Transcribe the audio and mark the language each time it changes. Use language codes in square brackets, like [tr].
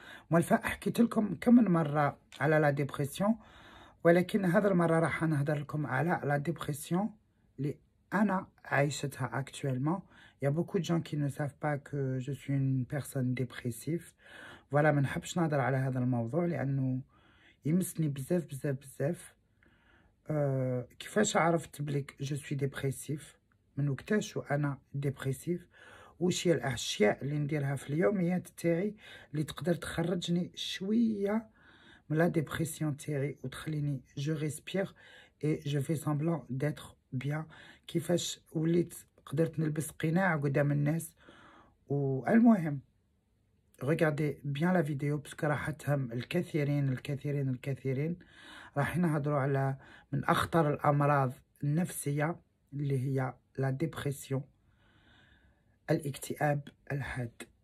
[ar] مولفا حكيت لكم كم مره على لا ديبريسيون، ولكن هذه المره راح نهضر لكم على لا ديبريسيون لي انا عايشتها اكتويلمون. [fr] Il y a beaucoup de gens qui ne savent pas que je suis une personne dépressive. Voilà, je n'aime pas parler de ce sujet parce qu'il m'a beaucoup, beaucoup, beaucoup. Comment j'ai appris que je suis dépressive? Comment j'ai appris que je suis dépressive? Ou si les choses que je fais dans le jour, qui peuvent me sortir un peu de la dépression, ou que je respire et je fais semblant d'être bien. Comment j'ai appris [ar] قدرت نلبس قناع قدام الناس. والمهم ريغاردي بيان لا فيديو باسكو راح تهم الكثيرين الكثيرين الكثيرين. راح نهضروا على من اخطر الامراض النفسيه اللي هي لا ديبريسيون، الاكتئاب الحاد.